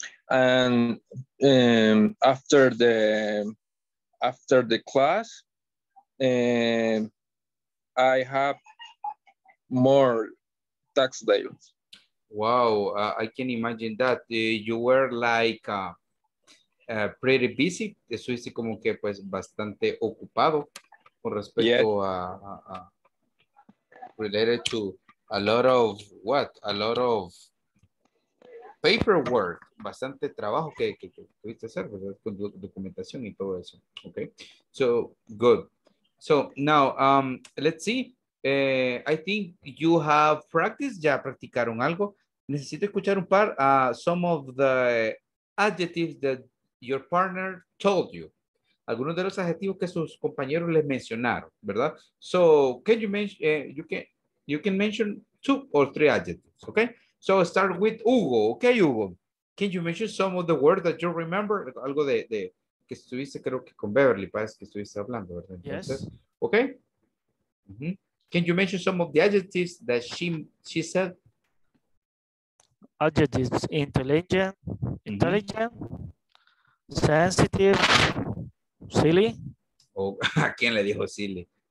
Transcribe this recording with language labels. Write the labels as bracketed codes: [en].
[en] And after the class, I have more tax bills. Wow, I can imagine that. You were like pretty busy. [es] Estuviste como que pues bastante ocupado. Con respecto a [en] related to a lot of what? A lot of paperwork, [es] bastante trabajo que tuviste hacer, ¿verdad? Con documentación y todo eso. Okay. [en] So good. So now let's see. I think you have practiced, [es] ya practicaron algo. Necesito escuchar un par [en] some of the adjectives that your partner told you. [es] Algunos de los adjetivos que sus compañeros les mencionaron, ¿verdad? [en] So, can you mention, you can mention two or three adjectives, okay? So, start with Hugo, okay, Hugo? Can you mention some of the words that you remember? [es] Algo de que estuviste, creo que con Beverly, parece que estuviste hablando, ¿verdad? Entonces, yes. [en] Okay? Mm-hmm. Can you mention some of the adjectives that she said? Adjectives, intelligent, mm-hmm. sensitive, silly. [es] Oh, ¿a quién le dijo silly?